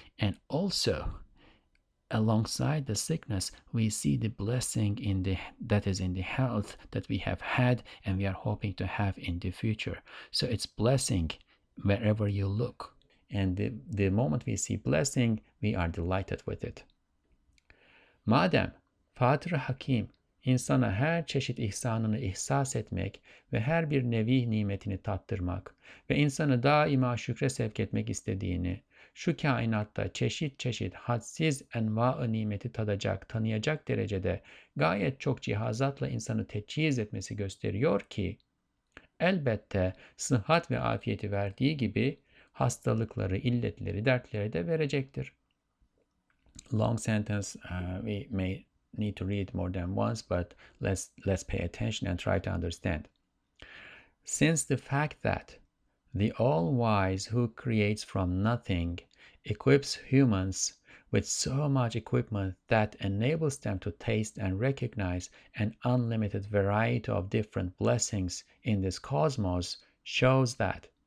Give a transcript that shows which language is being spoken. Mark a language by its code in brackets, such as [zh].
[en] And also, alongside the sickness, we see the blessing in that is in the health that we have had and we are hoping to have in the future. So it's blessing wherever you look. And the moment we see blessing, we are delighted with it. [tr] Madem Fatır Hakim insana her çeşit ihsanını ihsas etmek ve her bir nevi nimetini tattırmak ve insanı daima şükre sevk etmek istediğini, şu kainatta çeşit çeşit hadsiz enva-ı nimeti tadacak, tanıyacak derecede gayet çok cihazatla insanı teçhiz etmesi gösteriyor ki, elbette sıhhat ve afiyeti verdiği gibi hastalıkları, illetleri, dertleri de verecektir. [en] Long sentence, we may need to read more than once, but let's pay attention and try to understand. Since the fact that the All-Wise who creates from nothing equips humans with so much equipment that enables them to taste and recognize an unlimited variety of different blessings in this cosmos shows that.